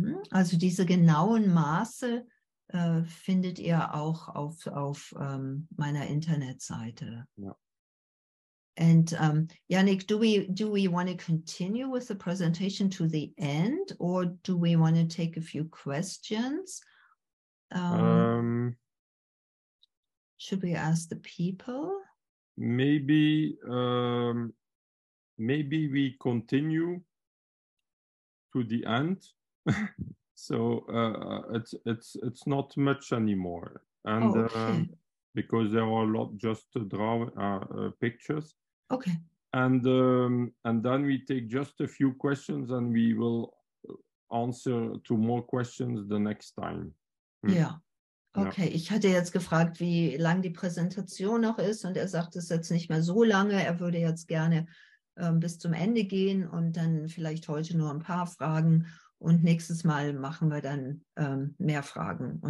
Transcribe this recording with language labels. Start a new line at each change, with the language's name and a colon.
German: Also diese genauen Maße findet ihr auch auf meiner Internetseite. Ja.
English: And Yannick, do we want to continue with the presentation to the end, or do we want to take a few questions? Should we ask the people? Maybe we continue to the end. So it's not much anymore, and Oh, okay. because there are a lot just to draw pictures, Okay. and then we take just a few questions, and we will answer to more questions the next time.
German: Ja.
English: Yeah. Okay.
German: Ich hatte jetzt gefragt, wie lang die Präsentation noch ist, und er sagt, es ist jetzt nicht mehr so lange. Er würde jetzt gerne bis zum Ende gehen und dann vielleicht heute nur ein paar Fragen und nächstes Mal machen wir dann mehr Fragen.